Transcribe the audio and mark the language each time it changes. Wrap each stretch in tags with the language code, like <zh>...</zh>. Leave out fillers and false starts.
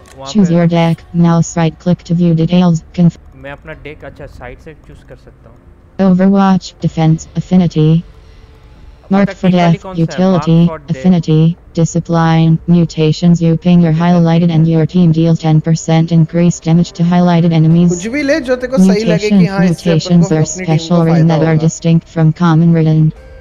<en>Choose your deck, mouse right click to view details.</en> <hi>मैं अपना deck अच्छा side से choose कर सकता हूँ।</hi> <en>Overwatch, defense, affinity. Mark for death, utility, affinity, discipline, mutations. You ping your highlighted and your team deal 10% increased damage to highlighted enemies.</en> <hi>कुछ भी ले जो तेरे को सही लगे कि हाँ इससे अपन को अपनी team को फायदा होगा।</hi> <en>Mutations are special written that are distinct from common written.</en>